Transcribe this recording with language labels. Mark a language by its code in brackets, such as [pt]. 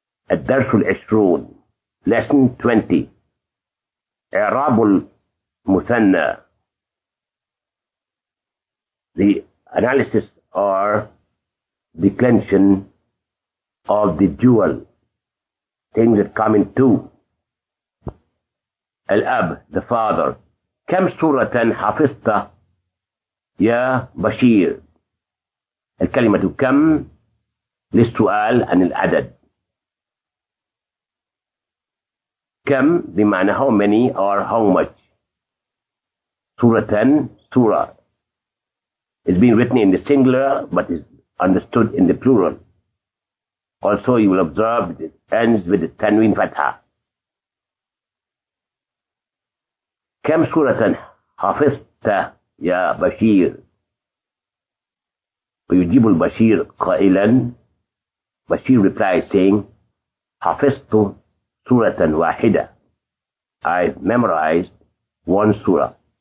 [ar] الدرس العشرون. [en] Lesson 20. [ar] إعراب المثنى. [en] The analysis or declension of the dual. Things that come in two. [ar] الأب, [en] the father. [ar] كم سورة حفظت يا بشير؟ الكلمة كم للسؤال عن العدد. [en] كم بمعنى how many or how much. سورة سورة is being written in the singular but is understood in the plural. Also you will observe it ends with the تنوين فتحة. [ar] كم سورة حفظت يا بشير؟ ويجيب البشير قائلا. بشير [en] replies saying [ar] حفظت سورة واحدة. [en] I memorized one surah.